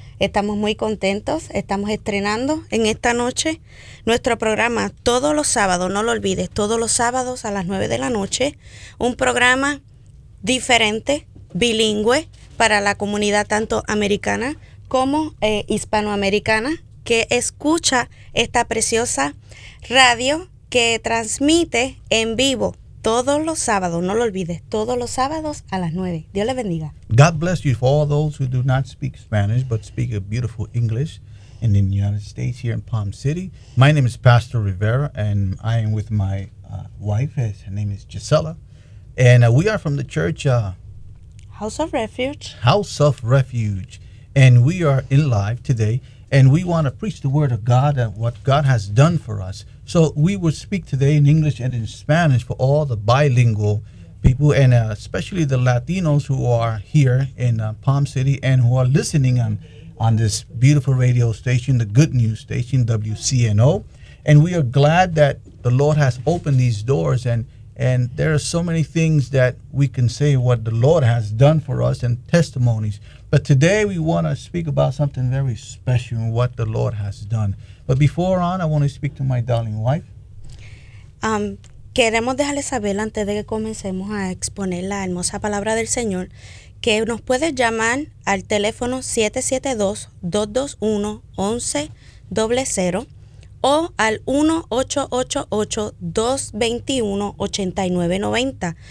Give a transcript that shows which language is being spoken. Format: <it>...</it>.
<es>Estamos muy contentos, estamos estrenando en esta noche nuestro programa todos los sábados, no lo olvides, todos los sábados a las 9 de la noche, un programa diferente, bilingüe, para la comunidad tanto americana como hispanoamericana que escucha esta preciosa radio que transmite en vivo todos los sábados, no lo olvides, todos los sábados a las 9. Dios les bendiga.</es> <en>God bless you for all those who do not speak Spanish but speak a beautiful English in the United States here in Palm City. My name is Pastor Rivera and I am with my wife. Her name is Gisela. And we are from the church House of Refuge. House of Refuge. And we are in live today. And we want to preach the word of God and what God has done for us. So we will speak today in English and in Spanish for all the bilingual people, and especially the Latinos who are here in Palm City and who are listening on this beautiful radio station, the Good News Station, WCNO. And we are glad that the Lord has opened these doors, and there are so many things that we can say what the Lord has done for us and testimonies. But today we want to speak about something very special and what the Lord has done. But before on, I want to speak to my darling wife.</en> <es>Queremos dejarle saber antes de que comencemos a exponer la hermosa palabra del Señor que nos puedes llamar al teléfono 772-221-1100 o al 1-888-221-8990.</es>